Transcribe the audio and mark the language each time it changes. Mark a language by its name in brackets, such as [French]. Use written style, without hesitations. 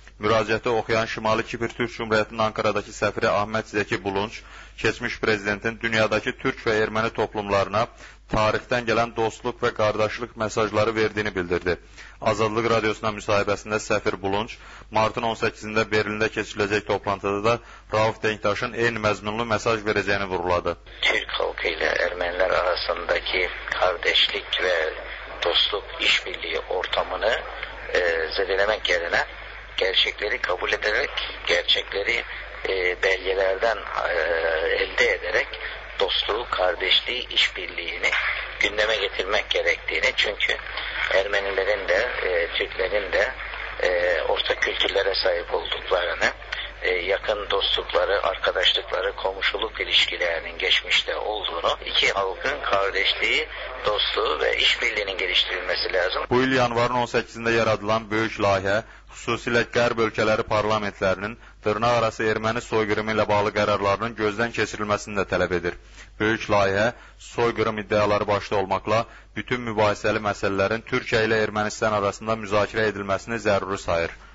[Azerbaijani] Müraciəti oxuyan Şimali Kipr Türk Cümhuriyyətinin Ankaradakı səfiri Ahmet Zeki Bulunç, keçmiş prezidentin dünyadakı türk və erməni toplumlarına tarixdən gələn dostluq və qardaşlıq mesajları verdiyini bildirdi. Azadlıq Radiosuna müsahibəsində səfir Bulunç, martın 18-də Berlində keçiriləcək toplantıda da Rauf Denktaşın eyni məzmunlu mesaj verəcəyini vurguladı. [Turkish] Türk halkı ilə ermənilər arasındakı qardaşlıq və dostluq işbirliyi ortamını zədələmək yerinə gerçekleri kabul ederek, gerçekleri belgelerden elde ederek dostluğu, kardeşliği, işbirliğini gündeme getirmek gerektiğini, çünkü Ermenilerin de Türklerin de ortak kültürlere sahip olduklarını, yakın dostlukları, arkadaşlıkları, komşuluk ilişkilerinin geçmişte olduğunu, iki halkın kardeşliği, dostluğu ve işbirliğinin geliştirilmesi lazım. [Azerbaijani] Bu yıl yanvarın 18'inde yaradılan Böyük Layihə, xüsusilə qərb ölkələri parlamentlərinin dırnaq arası erməni soyqırımı ilə bağlı qərarlarının gözdən keçirilməsini də tələb edir. Böyük layihə soyqırım iddiaları başda olmaqla bütün mübahisəli məsələlərin Türkiyə ilə Ermənistan arasında müzakirə edilməsini zəruri sayır.